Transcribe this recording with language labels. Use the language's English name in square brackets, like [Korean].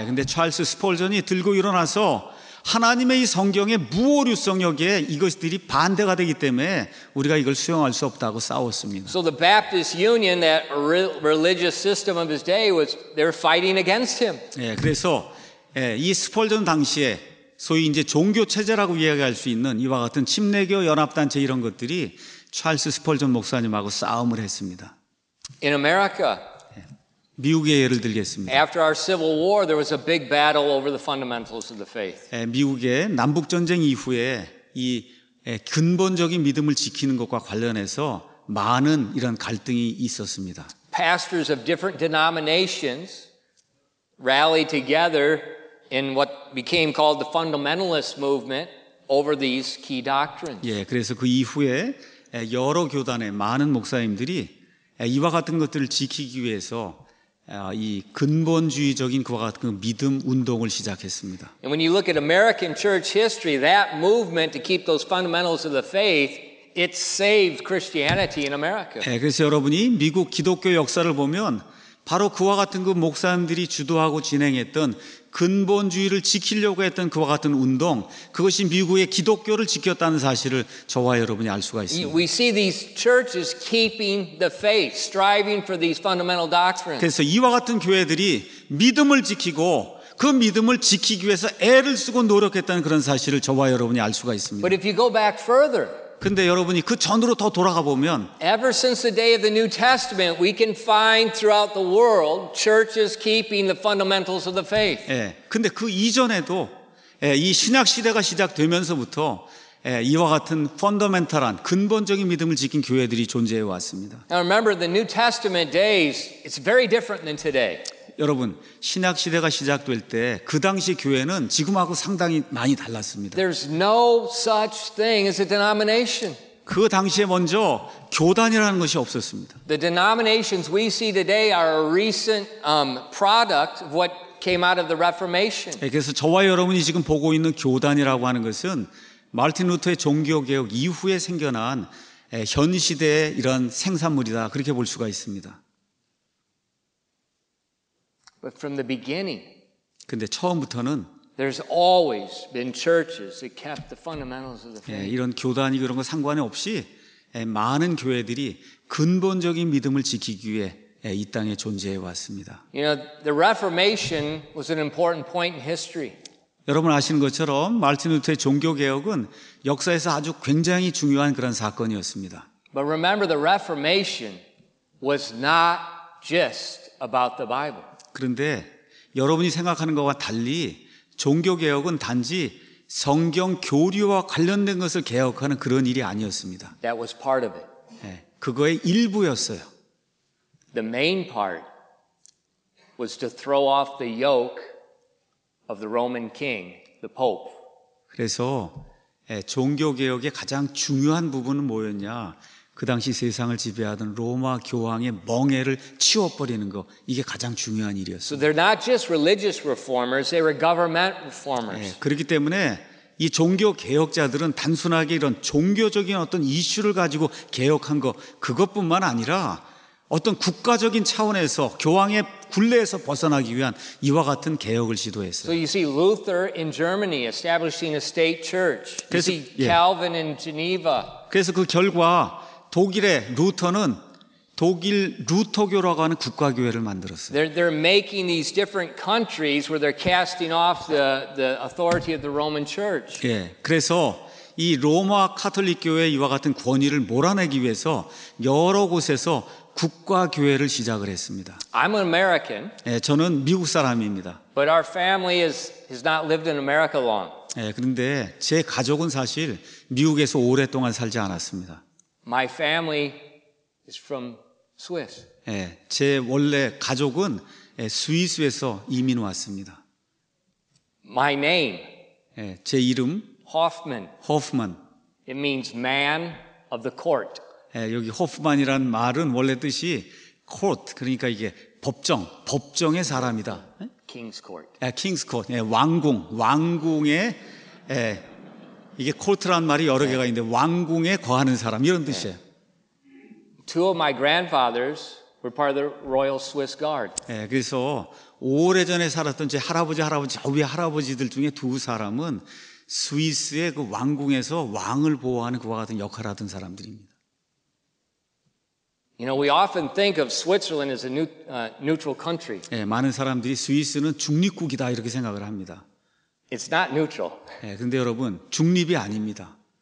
[Korean] 근데 찰스 스펄전이 들고 일어나서 하나님의 이 성경의 무오류성 여기에 이것들이 반대가 되기 때문에 우리가 이걸 수용할 수 없다고 싸웠습니다. [English] So the Baptist Union, that religious system of his day, was they're fighting against him. [Korean] 그래서 이 스펄전 당시에 소위 이제 종교 체제라고 이야기할 수 있는 이와 같은 침례교 연합 단체 이런 것들이 찰스 스펄전 목사님하고 싸움을 했습니다. [English] In America, [Korean] 미국의 예를 들겠습니다. [English] After our Civil War, there was a big battle over the fundamentals of the faith. [Korean] 미국의 남북 전쟁 이후에 이 근본적인 믿음을 지키는 것과 관련해서 많은 이런 갈등이 있었습니다. [English] Pastors of different denominations rallied together in what became called the fundamentalist movement over these key doctrines. [Korean] 그래서 그 이후에 여러 교단의 많은 목사님들이 이와 같은 것들을 지키기 위해서 이 근본주의적인 그와 같은 그 믿음 운동을 시작했습니다. [English] And when you look at American church history, that movement to keep those fundamentals of the faith, it saved Christianity in America. [Korean] 그래서 여러분이 미국 기독교 역사를 보면 바로 그와 같은 그 목사님들이 주도하고 진행했던 근본주의를 지키려고 했던 그와 같은 운동, 그것이 미국의 기독교를 지켰다는 사실을 저와 여러분이 알 수가 있습니다. [English] We see these churches keeping the faith, striving for these fundamental doctrines. [Korean] 그래서 이와 같은 교회들이 믿음을 지키고 그 믿음을 지키기 위해서 애를 쓰고 노력했다는 그런 사실을 저와 여러분이 알 수가 있습니다. [English] But if you go back further, [Korean] 근데 여러분이 그 전으로 더 돌아가 보면 [English] Ever since the day of the New Testament, we can find throughout the world churches keeping the fundamentals of the faith. [Korean] 근데 그 이전에도 이 신약 시대가 시작되면서부터 이와 같은 펀더멘탈한 근본적인 믿음을 지킨 교회들이 존재해 왔습니다. [English] Now remember the New Testament days, it's very different than today. [Korean] 여러분, 신약 시대가 시작될 때 그 당시 교회는 지금하고 상당히 많이 달랐습니다. [English] There's no such thing as a denomination. [Korean] 그 당시에 먼저 교단이라는 것이 없었습니다. [English] The denominations we see today are a recent product of what came out of the Reformation. [Korean] 그래서 저와 여러분이 지금 보고 있는 교단이라고 하는 것은 마르틴 루터의 종교 개혁 이후에 생겨난 현 시대의 이런 생산물이다 그렇게 볼 수가 있습니다. [English] But from the beginning, [Korean] 근데 처음부터는 [English] there's always been churches that kept the fundamentals of the faith. [Korean] 이런 교단이 그런 거 상관없이 많은 교회들이 근본적인 믿음을 지키기 위해 이 땅에 존재해 왔습니다. [English] You know, the Reformation was an important point in history. [Korean] 여러분 아시는 것처럼 마르틴 루터의 종교 개혁은 역사에서 아주 굉장히 중요한 그런 사건이었습니다. [English] But remember, the Reformation was not just about the Bible. [Korean] 그런데 여러분이 생각하는 것과 달리 종교개혁은 단지 성경 교리와 관련된 것을 개혁하는 그런 일이 아니었습니다. [English] That was part of it. [Korean] 그거의 일부였어요. [English] The main part was to throw off the yoke of the Roman king, the Pope. [Korean] 그래서 종교개혁의 가장 중요한 부분은 뭐였냐? 그 당시 세상을 지배하던 로마 교황의 멍에를 치워버리는 거, 이게 가장 중요한 일이었어요. [English] So they're not just religious reformers, they were government reformers. [Korean] 그렇기 때문에 이 종교 개혁자들은 단순하게 이런 종교적인 어떤 이슈를 가지고 개혁한 거, 그것뿐만 아니라 어떤 국가적인 차원에서 교황의 굴레에서 벗어나기 위한 이와 같은 개혁을 시도했어요. [English] So you see Luther in Germany establishing a state church. You see Calvin in Geneva. [Korean] 그래서 그 결과 독일의 루터는 독일 루터교라고 하는 국가교회를 만들었어요. [English] They're making these different countries where they're casting off the authority of the Roman Church. [Korean] 예, 그래서 이 로마 가톨릭 교회 이와 같은 권위를 몰아내기 위해서 여러 곳에서 국가교회를 시작을 했습니다. [English] I'm an American. [Korean] 예, 저는 미국 사람입니다. [English] But our family has not lived in America long. [Korean] 예, 그런데 제 가족은 사실 미국에서 오랫동안 살지 않았습니다. [English] My family is from Swiss. [Korean] 예, 제 원래 가족은 스위스에서 이민 왔습니다. [English] My name. [Korean] 예, 제 이름. [English] Hoffman. Hoffman. It means man of the court. [Korean] 예, 여기 Hoffman이란 말은 원래 뜻이 court, 그러니까 이게 법정, 법정의 사람이다. [English] King's court. 예, King's court. [Korean] 예, 왕궁, 왕궁의 예, 이게 court란 말이 여러 개가 있는데 왕궁에 거하는 사람 이런 뜻이에요. [English] Two of my grandfathers were part of the Royal Swiss Guard. [Korean] 예, 그래서 오래전에 살았던 제 할아버지, 할아버지, 저 위에 할아버지들 중에 두 사람은 스위스의 그 왕궁에서 왕을 보호하는 그와 같은 역할을 하던 사람들입니다. [English] You know, we often think of Switzerland as a neutral country. [Korean] 예, 많은 사람들이 스위스는 중립국이다 이렇게 생각을 합니다. [English] It's not neutral. [Korean] 예, 근데 여러분, 중립이 아닙니다.